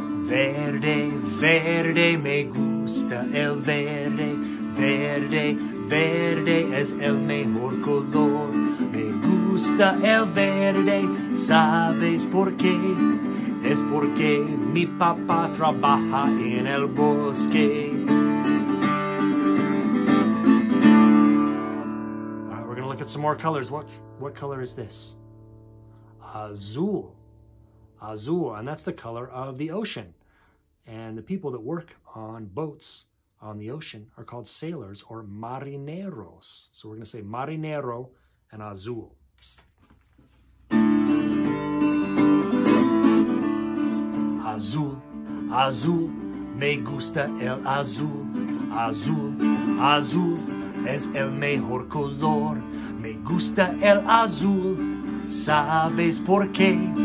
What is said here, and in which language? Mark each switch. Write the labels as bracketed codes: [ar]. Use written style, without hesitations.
[es] Verde, verde, me gusta el verde. Verde, verde es el mejor color. Me gusta el verde, ¿sabes por qué? Es porque mi papá trabaja en el bosque. [en] All right, we're gonna look at some more colors. What color is this? Azul. Azul, and that's the color of the ocean. And the people that work on boats on the ocean are called sailors or marineros. So we're going to say marinero and azul. [es] Azul, azul, me gusta el azul. Azul, azul, es el mejor color. Me gusta el azul, ¿sabes por qué?